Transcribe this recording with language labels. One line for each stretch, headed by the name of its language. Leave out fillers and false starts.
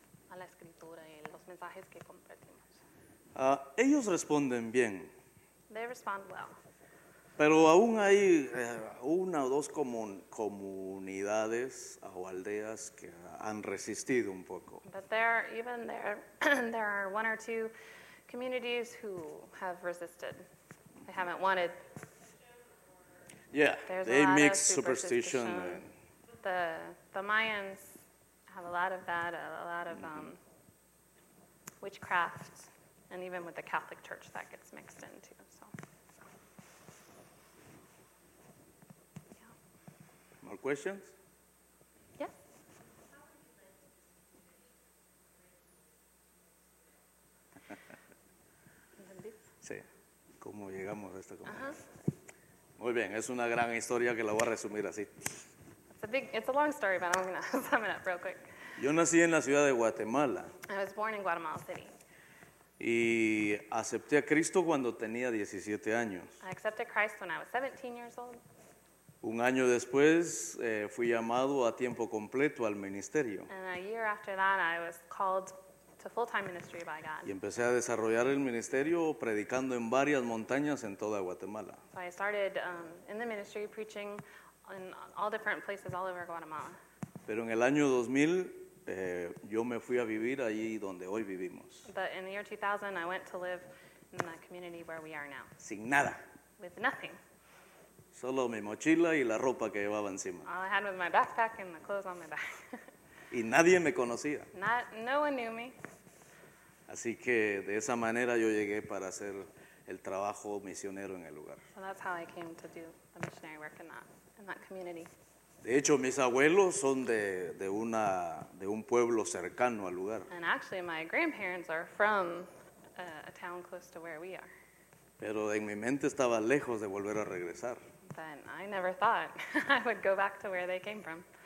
Spanish: A la escritura y los mensajes que compartimos. Ellos responden bien.
English: They respond well.
Spanish: Pero aún hay una o dos comunidades o aldeas que han resistido un poco.
English: But there are even there are one or two communities who have resisted. They haven't wanted. Yeah. There's they mix superstition. The Mayans have a lot of that, a lot of witchcraft, and even with the Catholic Church that gets mixed in too. So. Yeah. More questions? Yes.
Spanish: Sí. ¿Cómo llegamos a esta comunidad? Muy bien, es una gran historia que la voy a resumir así.
English: It's a long story, but I'm going to sum it up real quick.
Spanish: Yo nací en la ciudad de Guatemala.
English: I was born in Guatemala City.
Spanish: Y acepté a Cristo cuando tenía 17 años.
English: I accepted Christ when I was 17 years old.
Spanish: Un año después fui llamado a tiempo completo al ministerio.
English: And a year after that I was called to full-time ministry by God.
Spanish: Y empecé a desarrollar el ministerio predicando en varias montañas en toda Guatemala.
English: So I started in the ministry preaching in all different places all over Guatemala.
Spanish: Pero en el año 2000 yo me fui a vivir allí donde hoy vivimos.
English: But in the year 2000 I went to live in the community where we are now.
Spanish: Sin nada.
English: With nothing.
Spanish: Solo mi mochila y la ropa que llevaba encima.
English: All I had was my backpack and the clothes on my back.
Spanish: Y nadie me conocía.
English: No one knew me.
Spanish: Así que de esa manera yo llegué para hacer el trabajo misionero en el lugar.
English: So that's how I came to do the missionary work in that community.
Spanish: De hecho, mis abuelos son de un pueblo cercano al lugar.
English: And actually, my grandparents are from a town close to where we are.
Spanish: Pero en mi mente estaba lejos de volver a regresar.
English: But I never thought I would go back to where they came from.